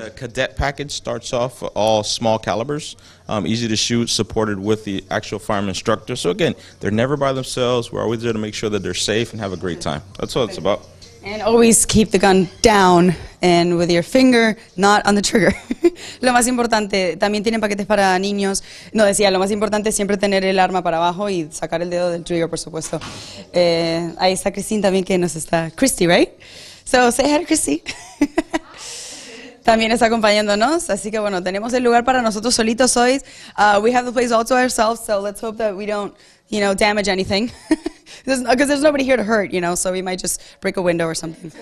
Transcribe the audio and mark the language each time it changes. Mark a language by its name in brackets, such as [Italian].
[English] The cadet package starts off all small calibers, easy to shoot, supported with the actual firearm instructor. So again, they're never by themselves. We're always there to make sure that they're safe and have a great time. That's what it's about. And always keep the gun down and with your finger, not on the trigger. [Spanish] Lo más importante, también tienen paquetes para niños. No, decía, lo más importante es siempre tener el arma para abajo y sacar el dedo del trigger, por supuesto. Ahí está Christine también que nos está. Christy, [English] right? So, say hi to [Spanish] Chrissy. También está acompañándonos. Así que, bueno, tenemos el lugar para nosotros solitos hoy. [English] We have the place all to ourselves, so let's hope that we don't, you know, damage anything. Because there's nobody here to hurt, you know, so we might just break a window or something.